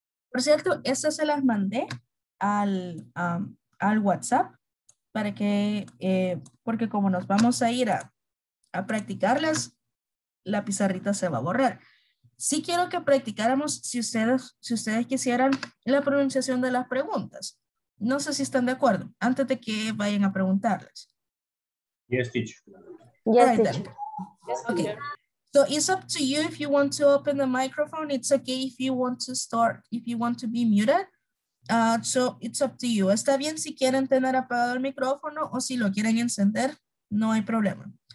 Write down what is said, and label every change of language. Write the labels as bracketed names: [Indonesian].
[Spanish] Por cierto, estas se las mandé al WhatsApp para que, porque como nos vamos a ir a practicarlas, la pizarrita se va a borrar. Sí quiero que practicáramos, si ustedes quisieran, la pronunciación de las preguntas. No sé si están de acuerdo, antes de que vayan a preguntarlas. [English] Yes, teacher. Yes, right, yes, okay. So it's up to you if you want to open the microphone. It's okay if you want to start, if you want to be muted. So it's up to you. [Spanish] Está bien si quieren tener apagado el micrófono o si lo quieren encender, no hay problema.